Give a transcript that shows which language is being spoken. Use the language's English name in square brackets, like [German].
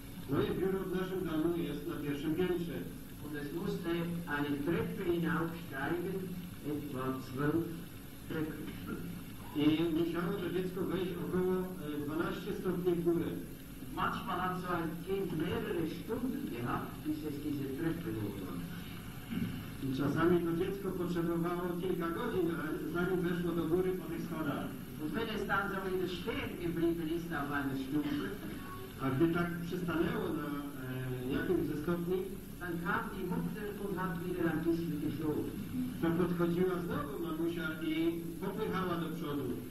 [Polish] Moje biuro w naszym domu jest na pierwszym piętrze. [German] Und es musste eine Treppe hinaufsteigen, etwa 12 Treppen. [Polish] I musiało to dziecko wejść około 12 stopni w górę. [German] Manchmal hat so ein Kind mehrere Stunden gehabt, bis es diese Treppe hochkam. [Polish] Czasami to dziecko potrzebowało kilka godzin, zanim weszło do góry po tych schodach. [German] Und wenn es dann so in der Stehen geblieben ist auf einer Stufe, [Polish] a gdy tak przystanęło na jakimś ze stopni, [German] dann kam die Mutter und hat wieder ein bisschen geschoben. [Polish] To podchodziła znowu mamusia i popychała do przodu.